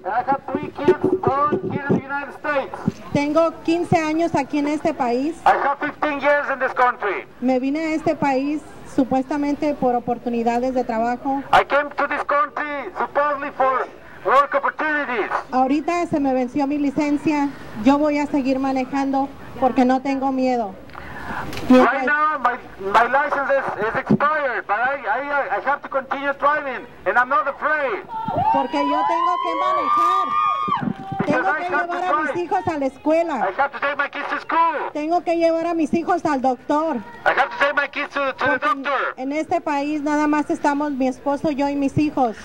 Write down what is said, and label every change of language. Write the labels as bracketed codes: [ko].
[en] I have three kids born here in the United States. [es] Tengo 15 años aquí en este país. [en] I have 15 years in this country. [es] Me vine a este país supuestamente por oportunidades de trabajo. [en] I came to this country supposedly for work opportunities. [es] Ahorita se me venció mi licencia. Yo voy a seguir manejando porque no tengo miedo. [en] Right now, my license is expired, but I have to continue driving, and I'm not afraid. [es] Porque yo tengo que manejar. Tengo que llevar a mis hijos a la escuela. [en] I have to take my kids to school. [es] Tengo que llevar a mis hijos al doctor. [en] I have to take my kids to the doctor. [es] En este país nada más estamos mi esposo, yo y mis hijos.